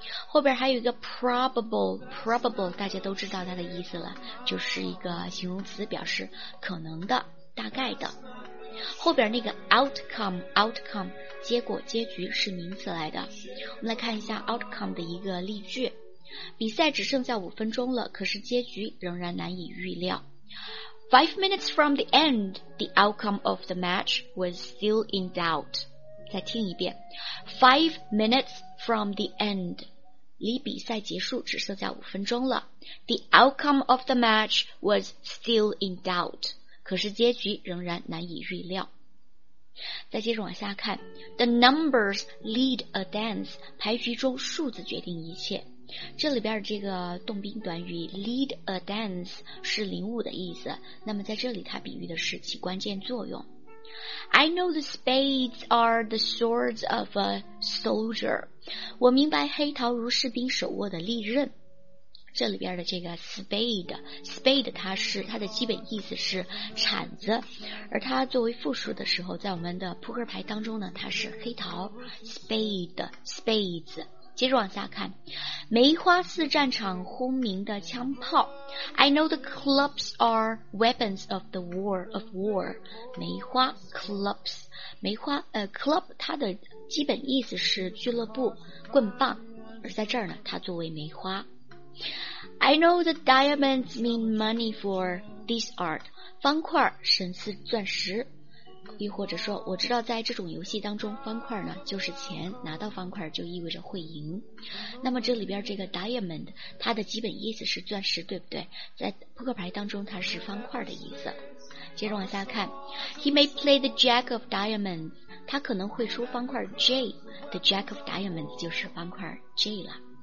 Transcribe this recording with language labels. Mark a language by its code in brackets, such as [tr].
[zh] 后边还有一个 probable， 大家都知道它的意思了，就是一个形容词，表示可能的、大概的。后边那个 outcome， 结果、结局是名词来的。我们来看一下 outcome 的一个例句。比赛只剩下5分钟了，可是结局仍然难以预料。 [en] 5 minutes from the end, the outcome of the match was still in doubt. [zh] 再听一遍。 [en] 5 minutes from the end, [zh] 离比赛结束只剩下五分钟了。 [en] The outcome of the match was still in doubt, [zh] 可是结局仍然难以预料。再接着往下看， [en] The numbers lead a dance, [zh] 牌局中数字决定一切。这里边这个动宾短语 [en] lead a dance [zh] 是领舞的意思，那么在这里它比喻的是起关键作用。 [en] I know the spades are the swords of a soldier, [zh] 我明白黑桃如士兵手握的利刃。这里边的这个 spade 它的基本意思是铲子，而它作为复数的时候，在我们的扑克牌当中呢，它是黑桃 spades。接着往下看，梅花四战场轰鸣的枪炮。 [en] I know the clubs are weapons of the war. Of war, [zh] 梅花 clubs, 梅花club 它的基本意思是俱乐部、棍棒，而在这儿呢，它作为梅花。 [en] I know the diamonds mean money for this art. [zh] 方块神似钻石。亦或者说，我知道在这种游戏当中，方块呢就是钱，拿到方块就意味着会赢。那么这里边这个 diamond 它的基本意思是钻石，对不对？在扑克牌当中它是方块的意思。接着往下看， [en] He may play the jack of diamonds, [zh] 他可能会出方块 J, [en] the jack of diamonds [zh] 就是方块 J 了。